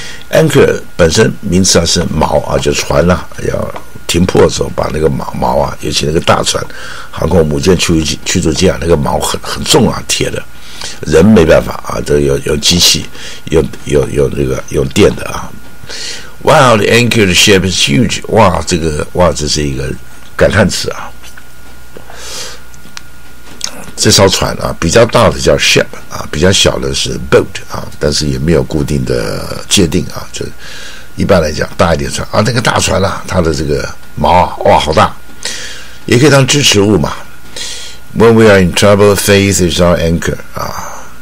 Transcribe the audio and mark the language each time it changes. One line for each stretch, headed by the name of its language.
Chinese: Anchor 本身名词啊是锚啊，就船啦、啊，要。停泊的时候把那个锚啊，尤其那个大船航空母舰驱逐舰啊，那个锚很重啊，铁的，人没办法啊，都有机器有那个有电的啊。
English: Wow, the anchor ship is huge.
Chinese: 哇，这个哇，这是一个感叹词啊，这艘船啊比较大的叫 ship 啊，比较小的是 boat 啊，但是也没有固定的界定啊，就一般来讲大一点船啊，那个大船啊，它的这个锚啊，哇好大，也可以当支持物嘛。
English: When we are in trouble, faith is our anchor
Chinese: 啊，